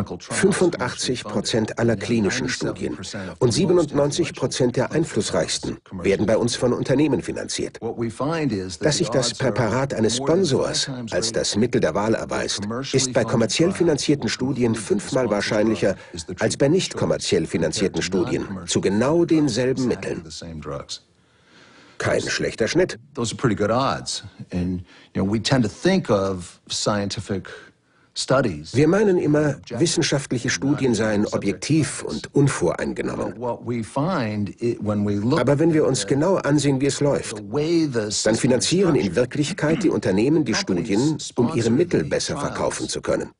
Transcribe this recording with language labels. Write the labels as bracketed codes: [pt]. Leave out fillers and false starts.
[de] 85% aller klinischen Studien und 97% der einflussreichsten werden bei uns von Unternehmen finanziert. Dass sich das Präparat eines Sponsors als das Mittel der Wahl erweist, ist bei kommerziell finanzierten Studien fünfmal wahrscheinlicher als bei nicht kommerziell finanzierten Studien zu genau denselben Mitteln. Kein schlechter Schnitt. [en] Those are pretty good odds. And you know, we tend to think of scientific. [de] Wir meinen immer, wissenschaftliche Studien seien objektiv und unvoreingenommen. Aber wenn wir uns genau ansehen, wie es läuft, dann finanzieren in Wirklichkeit die Unternehmen die Studien, um ihre Mittel besser verkaufen zu können.